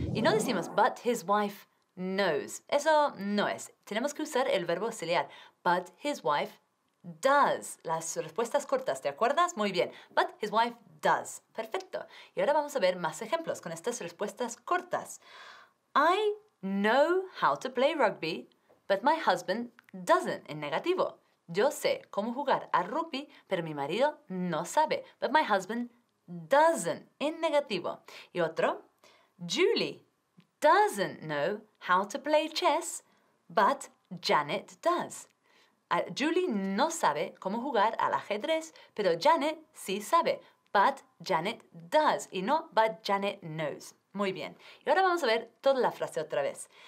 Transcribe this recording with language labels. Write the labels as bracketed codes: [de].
[es] Y no decimos [en] but his wife knows, [es] eso no es. Tenemos que usar el verbo auxiliar, [en] but his wife does. [es] Las respuestas cortas, ¿te acuerdas? Muy bien, [en] but his wife does. [es] Perfecto. Y ahora vamos a ver más ejemplos con estas respuestas cortas. [en] I know how to play rugby, but my husband doesn't, [es] en negativo. Yo sé cómo jugar a rugby, pero mi marido no sabe. [en] But my husband doesn't, [es] en negativo. Y otro, [en] Julie doesn't know how to play chess, but Janet does. [es] Julie no sabe cómo jugar al ajedrez, pero Janet sí sabe. [en] But Janet does, [es] y no, [en] but Janet knows. [es] Muy bien. Y ahora vamos a ver toda la frase otra vez.